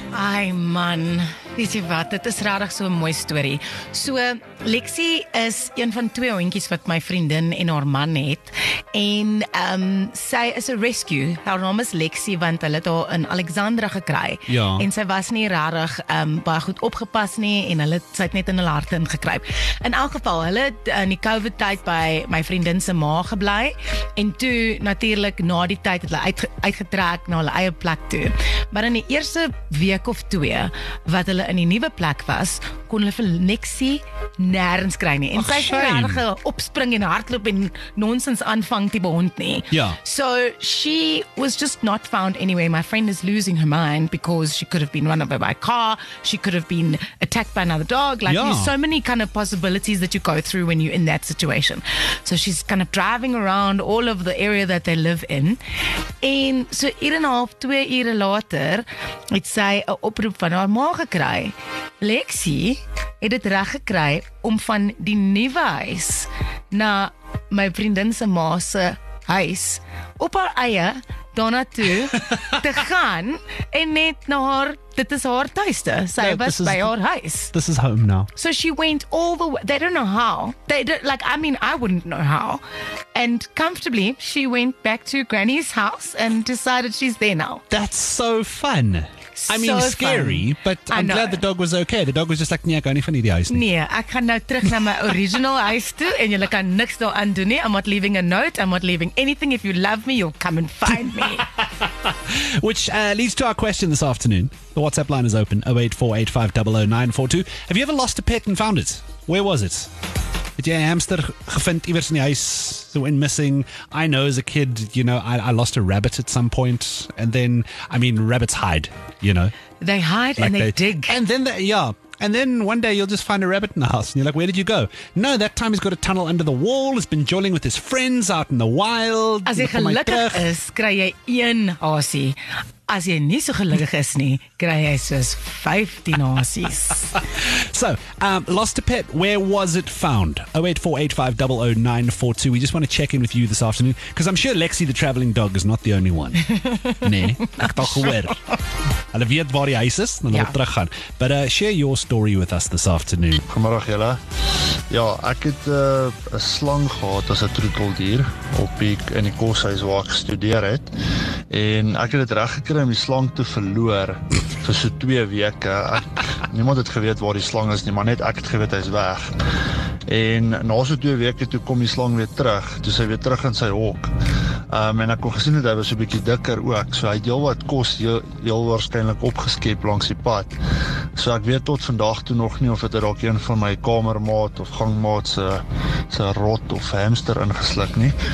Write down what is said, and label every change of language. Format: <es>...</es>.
<af>Ai man, weet jy wat, dit is regtig so 'n mooi storie. So, Lexi is een van twee hondjies wat my vriendin en haar man het. En sy is 'n rescue. Haar naam is Lexi, want hulle het haar in Alexandra gekry. Ja. En sy was nie regtig baie goed opgepas nie en sy het net in hulle harte ingekruip. In elk geval, hulle het in die COVID tyd by my vriendin se ma gebly en toe natuurlik na die tyd het hulle uitgetrek na hulle eie plek toe. Maar in die eerste week of twee wat hulle in die nuwe plek was, kon hulle vir Lexi nêrens kry nie. En sy het regtig opspring en hardloop en nonsens aanvang tipe hond nie. Ja.</af> <en>So she was just not found anyway. My friend is losing her mind because she could have been run over by a car, she could have been attacked by another dog. Like ja. There's so many kind of possibilities that you go through when you're in that situation. So she's kind of driving around all of the area that they live in.</en> <af>En so 2 ure later het sy 'n oproep van haar ma gekry. Lexi het dit reg gekry om van die nuwe huis na my vriendin se ma se huis op haar eie daarna toe te gaan en net na haar, dit is haar tuiste. Sy was by haar huis.</af> <en>This is home now. So she went all the way. They don't know how. I wouldn't know how. And comfortably, she went back to Granny's house and decided she's there now. That's so fun. So I mean, scary, fun. But I'm glad the dog was okay. The dog was just like,</en> <af>nee, ek gaan nie van hierdie huis nie. Nee, ek gaan nou terug na my original huis toe en julle kan niks daaraan doen nie.</af> <en>I'm not leaving a note. I'm not leaving anything. If you love me, you'll come and find me. Which leads to our question this afternoon. The WhatsApp line is open, 0848500942. Have you ever lost a pet and found it? Where was it?</en> <af>Het jy 'n hamster gevind iewers in die huis?</af> <en>So went missing. I know as a kid, you know, I lost a rabbit at some point. And then, I mean, rabbits hide, you know. They hide like and they dig. And then, and then one day you'll just find a rabbit in the house. And you're like, where did you go? No, that time he's got a tunnel under the wall. He's been jolling with his friends out in the wild.</en> <af>As jy gelukkig is, kry jy een hasie. As jy nie so gelukkig is nie, kry jy soos 15 hasies.</af> <en>So, lost a pet, where was it found? 0848500942. We just want to check in with you this afternoon. Because I'm sure Lexi the travelling dog is not the only one.</en> <af>Nee, ek toch hoor. Hulle weet waar die huis is, dan wil terug gaan.</af> <en>But share your story with us this afternoon.</en> <af>Goeiemiddag julle. Ja, ek het 'n slang gehad as 'n troeteldier in die koshuis waar ek gestudeer het. En ek het dit reg gekry om die slang te verloor vir so 2 weke. Niemand het geweet waar die slang is nie, maar net ek het geweet hy is weg. En na so 2 weke toe kom die slang weer terug, toe sy weer terug in sy hok. En ek kon gesien dat hy was so 'n bietjie dikker ook, so hy het heel wat kos heel waarskynlik opgeskep langs die pad. So ek weet tot vandag toe nog nie of het dalk een van my kamermaat of gangmaat se rot of hamster ingesluk nie.</af>